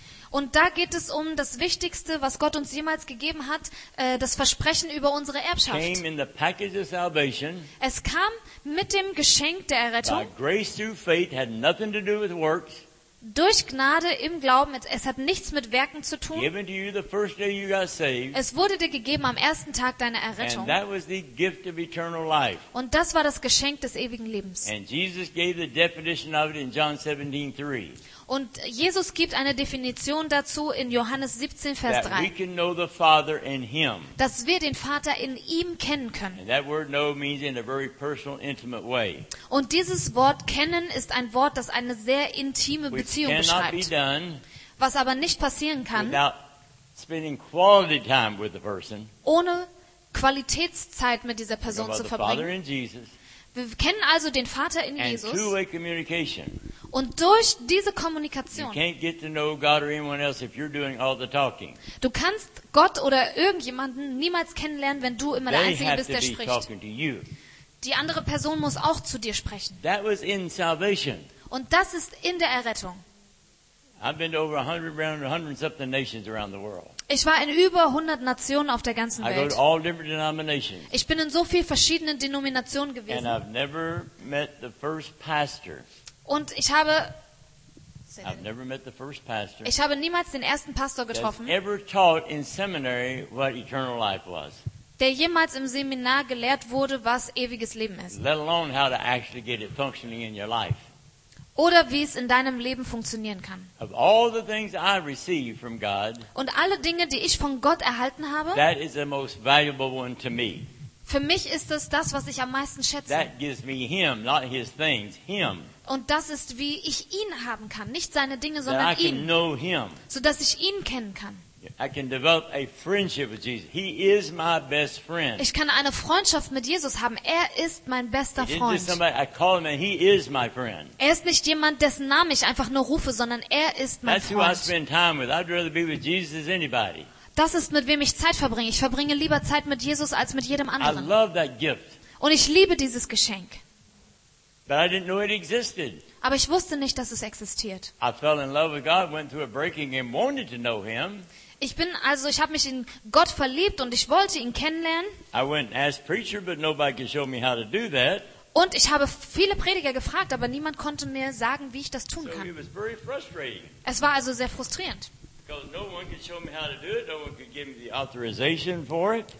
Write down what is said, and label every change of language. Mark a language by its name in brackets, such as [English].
[German] Und da geht es um das Wichtigste, was Gott uns jemals gegeben hat, das Versprechen über unsere Erbschaft. [English] Came in the package of salvation. [German] Es kam mit dem Geschenk der Errettung. [English] By grace through faith had nothing to do with works. [German] Durch Gnade im Glauben, es hat nichts mit Werken zu tun. [English] Given to you the first day you got saved. [German] Es wurde dir gegeben am ersten Tag deiner Errettung. [English] And that was the gift of eternal life. [German] Und das war das Geschenk des ewigen Lebens. [English] And Jesus gave the definition of it in John 17:3. [German] Und Jesus gibt eine Definition dazu in Johannes 17, Vers 3. [English] That we can know the Father in him. [German] Dass wir den Vater in ihm kennen können. [English] And that word know means in a very personal, intimate way. [German] Und dieses Wort kennen ist ein Wort, das eine sehr intime Beziehung [English] which cannot [German] beschreibt. [English] Be done, [German] was aber nicht passieren kann, [English] without spending quality time with the person, [German] ohne Qualitätszeit mit dieser Person [English] about [German] zu verbringen. [English] The Father in Jesus. [German] Wir kennen also den Vater in [English] and [German] Jesus. [English] Two-way communication. [German] Und durch diese Kommunikation, du kannst Gott oder irgendjemanden niemals kennenlernen, wenn du immer der Einzige bist, der spricht. Die andere Person muss auch zu dir sprechen. [English] That was in salvation. [German] Und das ist in der Errettung. [English] I've been to over 100 around 100 something nations around the world. [German] Ich war in über 100 Nationen auf der ganzen Welt. [English] I go to all different denominations. [German] Ich bin in so vielen verschiedenen Denominationen gewesen. [English] And I've never met the first pastor. [German] Und ich habe [English] I've never met the first pastor. [German] Ich habe niemals den ersten Pastor getroffen. [English] That's ever taught in seminary what eternal life was. [German] Der jemals im Seminar gelehrt wurde, was ewiges Leben ist. [English] Let alone how to actually get it functioning in your life. [German] Oder wie es in deinem Leben funktionieren kann. [English] Of all the things I receive from God, [German] und alle Dinge, die ich von Gott erhalten habe, [English] that is the most valuable one to me. [German] Für mich ist es das, was ich am meisten schätze. [English] That gives me him, not his things, him. [German] Und das ist, wie ich ihn haben kann. Nicht seine Dinge, sondern [English] that I can [German] ihn. [English] Know him. [German] Sodass ich ihn kennen kann. [English] I can develop a friendship with Jesus. He is my best friend. [German] Ich kann eine Freundschaft mit Jesus haben. Er ist mein bester Freund. [English] He is somebody I call him and he is my friend. [German] Er ist nicht jemand, dessen Namen ich einfach nur rufe, sondern er ist mein Freund. [English] That's who I spend time with. I'd rather be with Jesus than anybody. [German] Das ist, mit wem ich Zeit verbringe. Ich verbringe lieber Zeit mit Jesus als mit jedem anderen. [English] I love that gift. [German] Und ich liebe dieses Geschenk. [English] But I didn't know it existed. [German] Aber ich wusste nicht, dass es existiert. [English] I fell in love with God, went through a breaking and wanted to know him. [German] Ich habe mich in Gott verliebt und ich wollte ihn kennenlernen. [English] I went and asked preacher, but nobody could show me how to do that. [German] Und ich habe viele Prediger gefragt, aber niemand konnte mir sagen, wie ich das tun kann. [English] So it was very frustrating. [German] Es war also sehr frustrierend. [English] Because no one could show me how to do it. No one could give me the authorization for it.